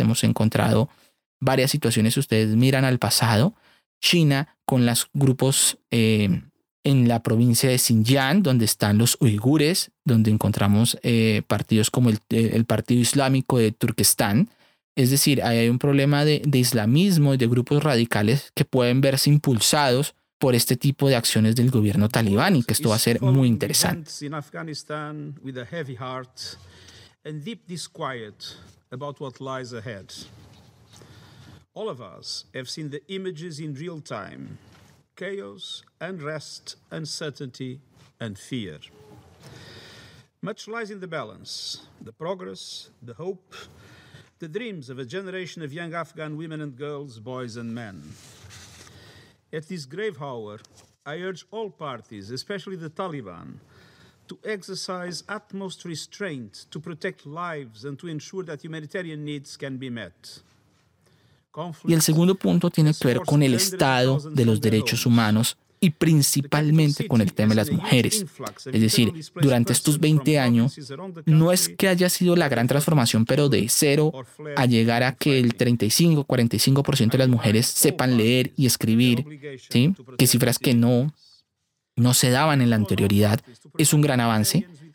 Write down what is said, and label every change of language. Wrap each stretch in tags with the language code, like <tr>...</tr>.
<es>Hemos encontrado varias situaciones. Si ustedes miran al pasado, China con los grupos en la provincia de Xinjiang, donde están los uigures, donde encontramos partidos como el Partido Islámico de Turkestán. Es decir, ahí hay un problema de islamismo y de grupos radicales que pueden verse impulsados por este tipo de acciones del gobierno talibán y que esto va a ser muy interesante.</es> <en>In Afghanistan with a heavy heart and deep disquiet about what lies ahead. All of us have seen the images in real time. Chaos, unrest, uncertainty and fear. Much lies in the balance, the progress, the hope, the dreams of a generation of young Afghan women and girls, boys and men. At this grave hour, I urge all parties, especially the Taliban, to exercise utmost restraint to protect lives and to ensure that humanitarian needs can be met.</en> <es>Y el segundo punto tiene que ver con el estado de los derechos humanos y principalmente con el tema de las mujeres. Es decir, durante estos 20 años, no es que haya sido la gran transformación, pero de cero a llegar a que el 35-45% de las mujeres sepan leer y escribir, ¿sí?, que cifras que no se daban en la anterioridad, es un gran avance.</es>